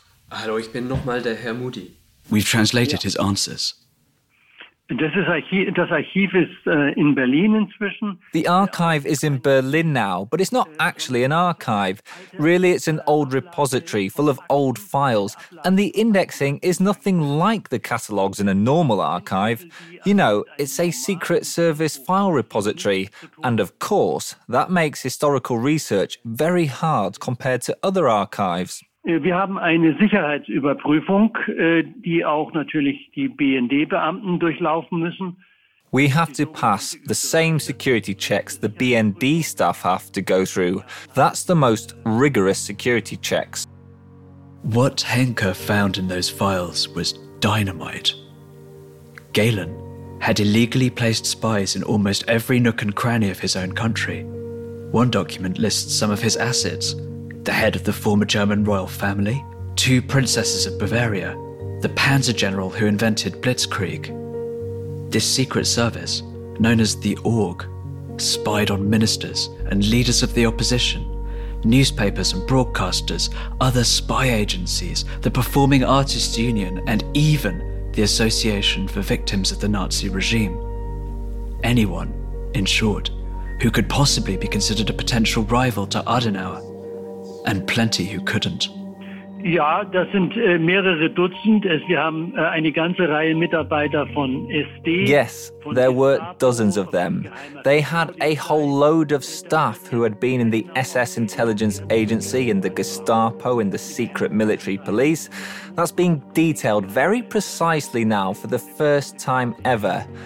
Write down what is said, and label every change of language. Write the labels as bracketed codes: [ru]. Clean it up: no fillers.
[de] Hallo, ich bin nochmal der Herr Moody. [en] We've translated his answers. The archive is in Berlin now, but it's not actually an archive. Really, it's an old repository full of old files, and the indexing is nothing like the catalogues in a normal archive. You know, it's a secret service file repository, and of course, that makes historical research very hard compared to other archives. [de] Wir haben eine Sicherheitsüberprüfung, die auch natürlich die BND-Beamten durchlaufen müssen. [en] We have to pass the same security checks the BND staff have to go through. That's the most rigorous security checks. What Henke found in those files was dynamite. Galen had illegally placed spies in almost every nook and cranny of his own country. One document lists some of his assets: the head of the former German royal family, two princesses of Bavaria, the panzer general who invented Blitzkrieg. This secret service, known as the Org, spied on ministers and leaders of the opposition, newspapers and broadcasters, other spy agencies, the Performing Artists Union, and even the Association for Victims of the Nazi Regime. Anyone, in short, who could possibly be considered a potential rival to Adenauer. And plenty who couldn't. [de] Ja, das sind mehrere Dutzend. Wir haben eine ganze Reihe Mitarbeiter von SD. [en] Yes, there were dozens of them. They had a whole load of staff who had been in the SS intelligence agency, in the Gestapo, in the secret military police. That's being detailed very precisely now for the first time ever.